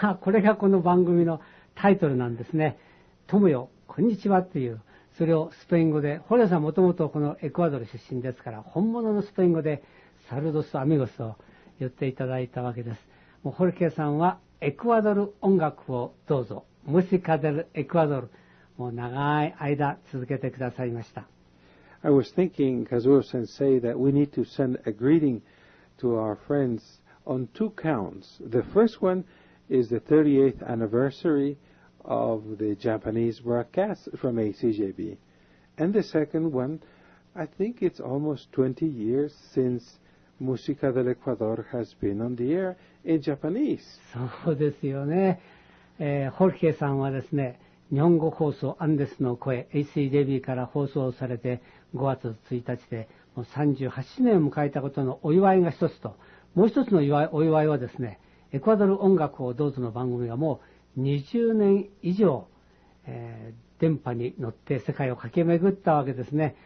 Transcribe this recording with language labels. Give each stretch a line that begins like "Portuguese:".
Japanese: これがこの番組のタイトルなんですね。友よこんにちはっていう、それをスペイン語で、ホルーさんもともとこのエクアドル出身ですから本物のスペイン語でサルードスアミゴスを言っていただいたわけです。もうホルケさんはエクアドル音楽をどうぞ、ムシカデルエクアドル、もう長い間続けてくださいました。
English: I was thinking Kazuo-sensei that we need to send a greeting to our friends on two counts. The first one is the 38th anniversary of the Japanese broadcast from ACJB, and the second one, I think it's almost 20 years since Musica del Ecuador has been on the air in Japanese.
Japanese: そうですよね。ホルケさんはですね、日本語放送アンデスの声 ACJB から放送されて5月1日でもう38年を迎えたことのお祝いが一つと、もう一つのお祝いはですね、エクアドル音楽をどうぞの番組がもう20年以上、電波に乗って世界を駆け巡ったわけですね。